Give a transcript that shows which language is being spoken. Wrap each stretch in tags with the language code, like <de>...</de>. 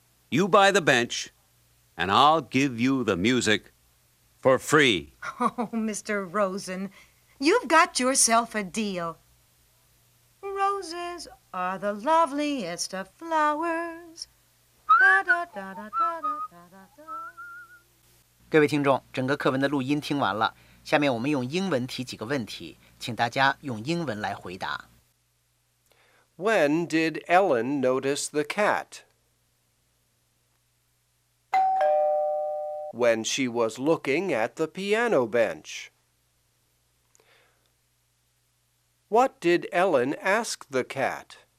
<en>You buy the bench, and I'll give you the music for free. Oh, Mr. Rosen, you've got yourself a deal. Roses are the loveliest of flowers. Da, da, da, da, da, da, da, da.</en> <zh>各位听众，整个课文的录音听完了，下面我们用英文提几个问题。请大家用英文来回答。</zh> <en>When did Ellen notice the cat? When she was looking at the piano bench. What did Ellen ask the cat?</en>